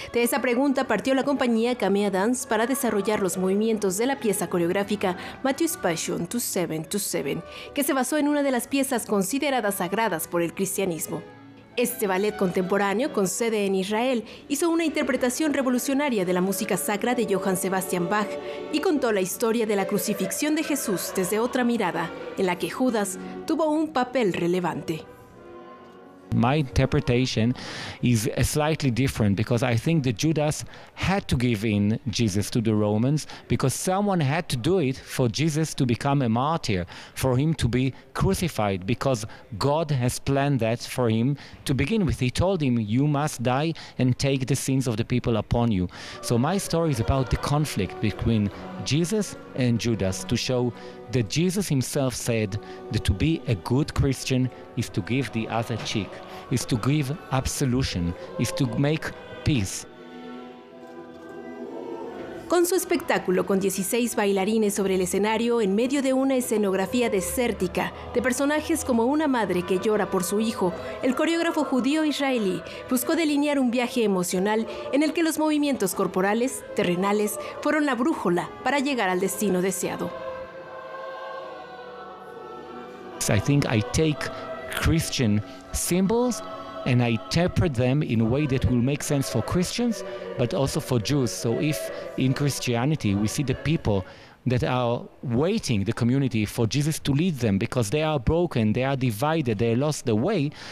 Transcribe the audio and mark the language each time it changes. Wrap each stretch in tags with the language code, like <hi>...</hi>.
<es>De esa pregunta partió la compañía Kamea Dance para desarrollar los movimientos de la pieza coreográfica Matthew's Passion 2727, que se basó en una de las piezas consideradas sagradas por el cristianismo. Este ballet contemporáneo, con sede en Israel, hizo una interpretación revolucionaria de la música sacra de Johann Sebastian Bach y contó la historia de la crucifixión de Jesús desde otra mirada, en la que Judas tuvo un papel relevante.</es> <en>My interpretation is slightly different because I think that Judas had to give in Jesus to the Romans because someone had to do it for Jesus to become a martyr, for him to be crucified, because God has planned that for him to begin with. He told him, you must die and take the sins of the people upon you. So my story is about the conflict between Jesus and Judas to show that Jesus himself said that to be a good Christian is to give the other cheek, is to give absolution, is to make peace.</en> <es>Con su espectáculo con 16 bailarines sobre el escenario en medio de una escenografía desértica, de personajes como una madre que llora por su hijo, el coreógrafo judío israelí buscó delinear un viaje emocional en el que los movimientos corporales, terrenales, fueron la brújula para llegar al destino deseado.</es> <en>I think I take Christian symbols and I interpret them in a way that will make sense for Christians, but also for Jews. So if in Christianity we see the people that are waiting, the community, for Jesus to lead them because they are broken, they are divided, they lost the way.</en>